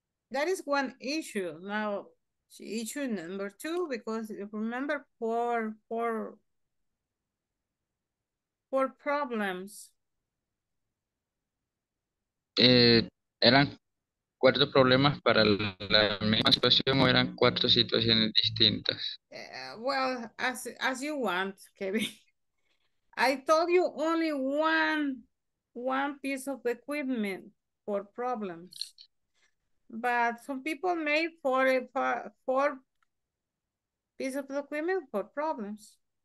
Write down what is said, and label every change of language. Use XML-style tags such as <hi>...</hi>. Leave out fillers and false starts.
<en>That is one issue. Now, issue number two, because remember four problems.</en> <es>¿Eran cuatro problemas para la misma situación o eran cuatro situaciones distintas?</es> <en>Well, as you want, Kevin. I told you only one piece of equipment for problems. But some people made four pieces of equipment for problems.</en>